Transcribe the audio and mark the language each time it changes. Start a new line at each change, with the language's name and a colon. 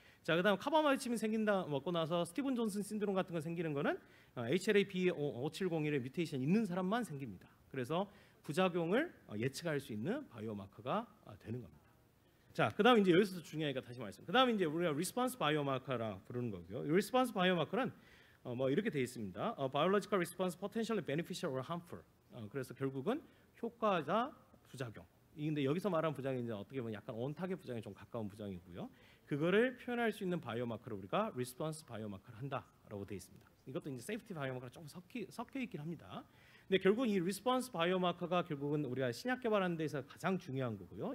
Korean: 자, 그다음 카바마이칩이 생긴다 먹고 나서 스티븐 존슨 신드롬 같은 거 생기는 거는 HLA-B5701의 뮤테이션 있는 사람만 생깁니다. 그래서 부작용을 예측할 수 있는 바이오마커가 되는 겁니다. 자, 그다음 이제 여기서도 중요한 게 다시 말씀. 그다음 이제 우리가 리스폰스 바이오마커라 부르는 거고요. 이 리스폰스 바이오마커는 뭐 이렇게 돼 있습니다.
English: Biological response potentially beneficial or harmful.
Korean: 그래서 결국은 효과자 부작용. 근데 여기서 말한 부작용이 이제 어떻게 보면 약간 온타겟 부작용에 좀 가까운 부작용이고요. 그거를 표현할 수 있는 바이오마커를 우리가 리스폰스 바이오마커를 한다라고 돼 있습니다. 이것도 이제 세이프티 바이오마커랑 조금 섞여 있긴 합니다. 근데 결국 이 리스폰스 바이오마커가 결국은 우리가 신약 개발하는 데서 가장 중요한 거고요.